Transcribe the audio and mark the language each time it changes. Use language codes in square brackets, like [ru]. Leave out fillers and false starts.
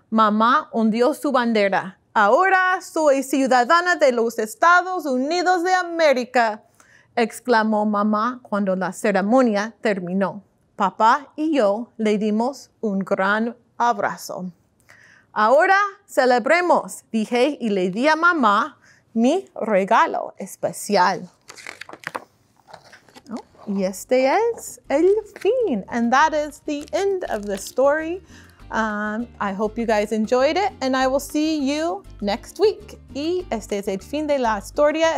[es] Mamá ondeó su bandera. Ahora soy ciudadana de los Estados Unidos de América, exclamó mamá cuando la ceremonia terminó. Papá y yo le dimos un gran abrazo. Ahora celebremos, dije y le di a mamá mi regalo especial. Oh, y este es el fin. [en] And that is the end of the story. I hope you guys enjoyed it and I will see you next week. [es] Y este es el fin de la historia.